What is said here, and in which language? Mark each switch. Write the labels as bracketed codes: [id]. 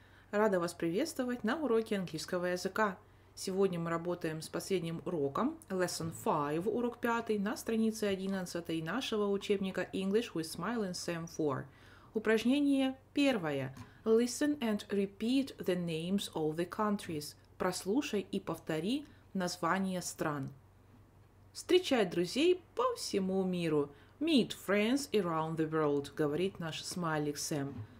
[ru] Рада вас приветствовать на уроке английского языка. Сегодня мы работаем с последним уроком, Lesson 5, урок 5, на странице 11 нашего учебника English with Smile and Sam 4. Упражнение первое. [en] Listen and repeat the names of the countries. [ru] Прослушай и повтори названия стран. Встречай друзей по всему миру. [en] Meet friends around the world, [ru] говорит наш смайлик Сэм.